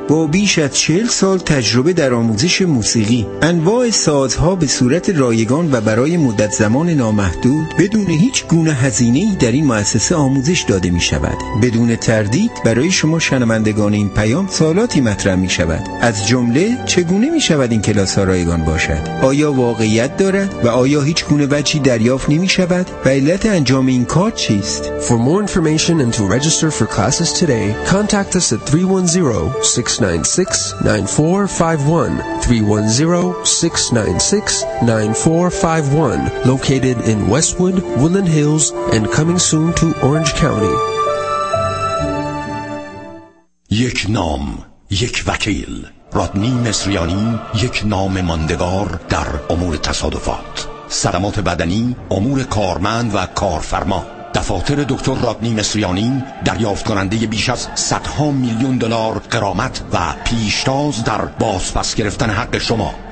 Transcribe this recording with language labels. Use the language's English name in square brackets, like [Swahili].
[Persian] با بیش از 40 سال تجربه در آموزش موسیقی، انواع سازها به صورت رایگان و برای مدت زمان نامحدود بدون هیچ گونه هزینه‌ای در این مؤسسه آموزش داده می شود. بدون تردید برای شما شنوندگان این پیام سوالاتی مطرح می شود، از جمله چگونه می شود این کلاس ها رایگان باشد؟ آیا واقعیت دارد و آیا هیچ گونه وجهی دریافت نمی شود و علت انجام این کار چیست؟ [English] For more information and to register for classes today, contact us at 310-696-9451, 310-696-9451, located in Westwood, Woodland Hills, and coming soon to Orange County. [Persian] یک نام یک وکیل رادنی مصریانی، یک نام ماندگار در امور تصادفات، صدمات بدنی، امور کارمند و کارفرما. دفاتر دکتر رادنی مصریانی دریافت کننده بیش از صدها میلیون دلار غرامت و پیشتاز در بازپس گرفتن حق شما.